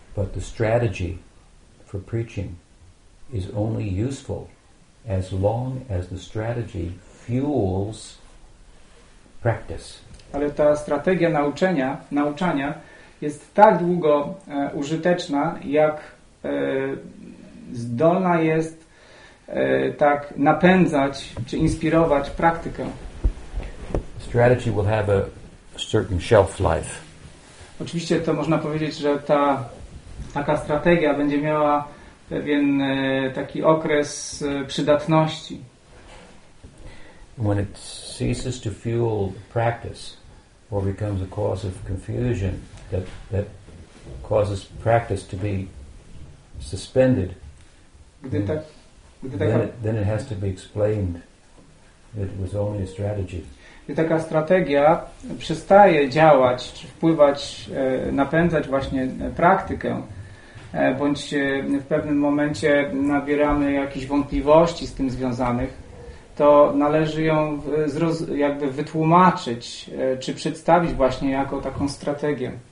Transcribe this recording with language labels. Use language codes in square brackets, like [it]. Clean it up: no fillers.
[en] But the strategy for preaching is only useful as long as the strategy fuels practice. [pl] Ale ta strategia nauczania jest tak długo użyteczna, jak zdolna jest tak napędzać czy inspirować praktykę. [en] Strategy will have a certain shelf life. [pl] Oczywiście to można powiedzieć, że ta taka strategia będzie miała pewien taki okres przydatności. [en] When it ceases to fuel practice or becomes a cause of confusion that causes practice to be suspended, then it has to be explained that it was only a strategy. [pl] Gdy taka strategia przestaje działać czy wpływać, napędzać właśnie praktykę, bądź w pewnym momencie nabieramy jakichś wątpliwości z tym związanych, to należy ją jakby wytłumaczyć czy przedstawić właśnie jako taką strategię.